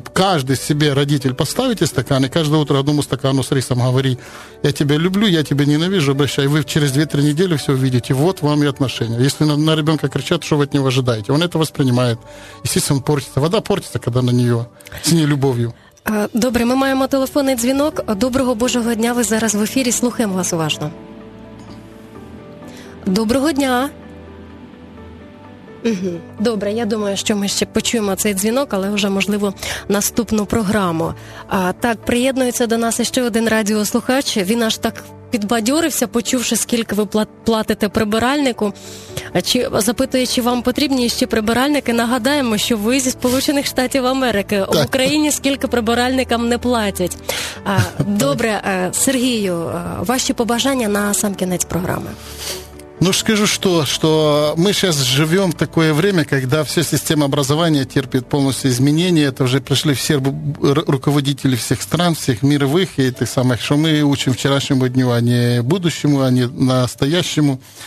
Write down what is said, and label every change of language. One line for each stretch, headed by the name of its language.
Russian: Каждый себе, родитель, поставите стакан, и каждое утро одному стакану с рисом говори, я тебя люблю, я тебя ненавижу, обращай. Вы через 2-3 недели все увидите, вот вам и отношения. Если на ребенка кричат, что вы от него ожидаете? Он это воспринимает. Естественно, портится. Вода портится, когда на нее, с ней любовью.
Ukrainian: Добре, ми маємо телефонний дзвінок. Доброго Божого дня, ви зараз в ефірі, слухаємо вас уважно. Доброго дня. Добре, я думаю, що ми ще почуємо цей дзвінок, але вже, можливо, наступну програму. Так, приєднується до нас ще один радіослухач, він аж так підбадьорився, почувши, скільки ви платите прибиральнику, чи запитує, чи вам потрібні ще прибиральники. Нагадаємо, що ви зі Сполучених Штатів Америки. Так. В Україні скільки прибиральникам не платять. Добре, Сергію, ваші побажання на сам кінець програми.
Russian: Ну, скажу, что мы сейчас живем в такое время, когда вся система образования терпит полностью изменения. Это уже пришли все руководители всех стран, всех мировых и тех самых, что мы учим вчерашнему дню, а не будущему, а не настоящему.